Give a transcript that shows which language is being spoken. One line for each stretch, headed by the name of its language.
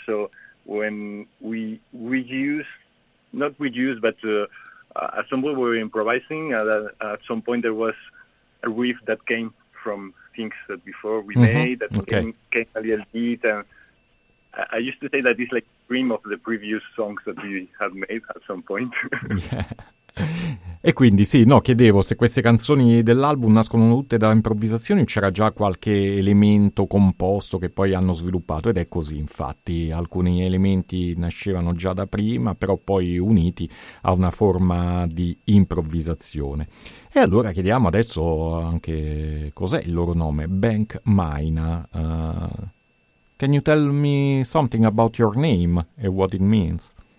English: So when we were improvising. At some point, there was a riff that came from things that before we made. That came a little bit, and I used to say that it's like dream of the previous songs that we had made at some point.
Italian: E quindi sì, no, chiedevo se queste canzoni dell'album nascono tutte da improvvisazioni o c'era già qualche elemento composto che poi hanno sviluppato, ed è così, infatti alcuni elementi nascevano già da prima, però poi uniti a una forma di improvvisazione. E allora chiediamo adesso anche cos'è il loro nome, Bank Mine.
English: Can you tell me something about your name and what it means?